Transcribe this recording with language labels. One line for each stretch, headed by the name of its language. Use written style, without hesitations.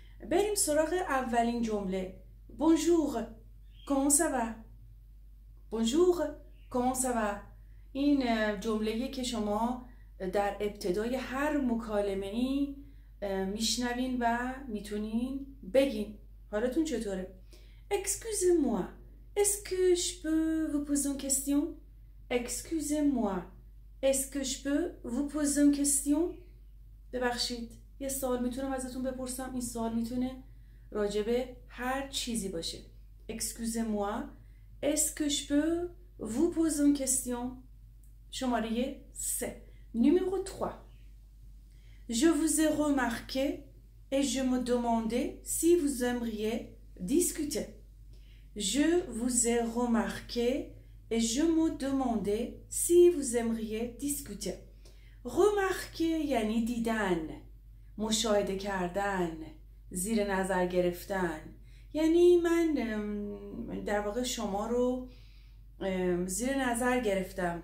Persian: بریم سراغ اولین جمله.
French: بونجور کامون سوا، بونجور کامون سوا.
Persian: این جمله که شما در ابتدای هر مکالمه ای میشنوین و میتونین بگین حالتون چطوره.
French: Excusez-moi, est-ce que je peux vous poser une question? Excusez-moi, est-ce que je peux vous poser une question?
Persian: ببخشید، یه سوال میتونم ازتون بپرسم؟ این سوال میتونه راجبه هر چیزی باشه.
French: Excusez-moi, est-ce que je peux vous poser une question?
Persian: شماره 3.
French: Numéro 3. Je vous ai remarqué et je me demandais si vous aimeriez discuter. Je vous ai remarqué et je me demandais si vous aimeriez discuter. Remarqué
Persian: yani didan, مشاهده کردن، زیر نظر گرفتن. یعنی من در واقع شما رو زیر نظر گرفتم.